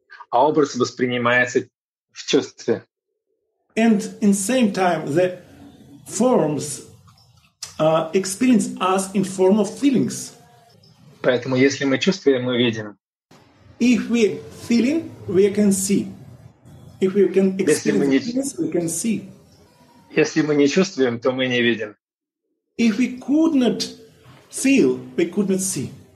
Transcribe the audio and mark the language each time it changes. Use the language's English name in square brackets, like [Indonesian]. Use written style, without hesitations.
[Russian] Образ воспринимается в чувстве. [English] And in same time, the forms experience us in form of feelings. [Russian] Поэтому, если мы чувствуем, мы видим. [English] If we feeling, we can see. If we can experience, we can see. [Russian] Если мы не чувствуем, то мы не видим. [English] If we could not feel, we could not see.